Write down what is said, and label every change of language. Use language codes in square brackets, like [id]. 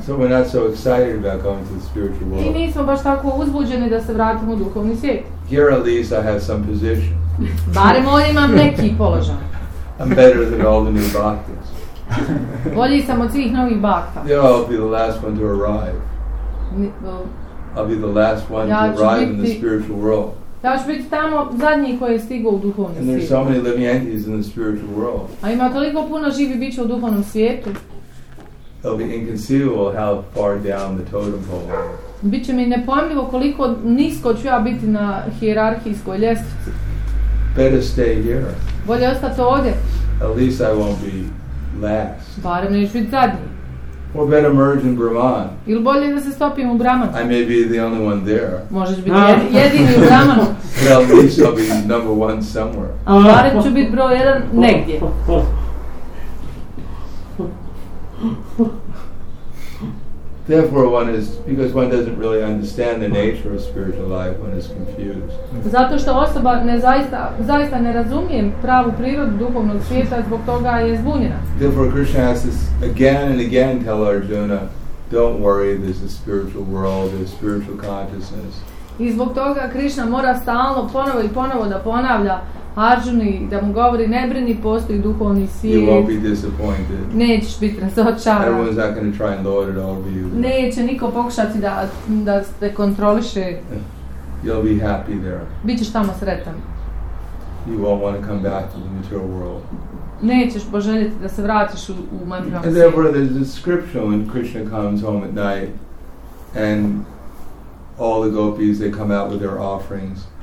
[en] So we're not so excited about going to the spiritual world. [bs] I nismo baš tako uzbuđeni da se vratimo u duhovni svijet. [en] Here at least I have some position. [bs] Barem ovdje imam neki položaj. [en] I'm better than all the new bhaktas. [bs] Bolji sam od svih novih bhakta. [en] Yeah, I'll be the last one to arrive. I'll be the last one [bs] ja [en] to arrive in the spiritual world. [bs] Ja ću biti tamo zadnji koji je stigao u duhovni svijet. [en] And there's so many living entities in the spiritual world. [bs] A ima toliko puno živih bića u duhovnom svijetu. [en] It'll be inconceivable how far down the totem pole. [bs] Biće mi nepojmljivo koliko nisko ću ja biti na hijerarhijskoj ljestvici. [en] Better stay here. [bs] Bolje ostati ovdje. [en] At least I won't be last. [bs] Barem neću biti zadnji. [en] Or better merge in Brahman. [bs] Ili bolje da se stopim u Brahmanu. [en] I may be the only one there. [bs] Možeš biti jedini u Brahmanu. [en] But at least I'll be number one somewhere. [bs] Barem ću biti broj jedan negdje. [en] Therefore one is, because one doesn't really understand the nature of spiritual life, one is confused. [bs] Zato što osoba ne zaista ne razumije pravu prirodu duhovnog svijeta, zbog toga je zbunjena. [en] Therefore Krishna has to again and again tell Arjuna, don't worry, there's a spiritual world, there's spiritual consciousness. [bs] I zbog toga Krishna mora stalno ponovo i ponovo da ponavlja Arjuni, da mu govori, ne brini, postoji duhovni svijet. [en] You won't be disappointed. [bs] Nećeš biti razočaran. [en] Everyone's not going to try and lord it over you. [bs] Neće niko pokušati da te kontroliše. [en] You'll be happy there. [bs] Bićeš tamo sretan. [en] You won't want to come back to the material world. [bs] Nećeš poželjeti da se vratiš u materijalni svijet. [en] And therefore there's a description when Krishna comes home at night and all the gopis, they come out with their offerings.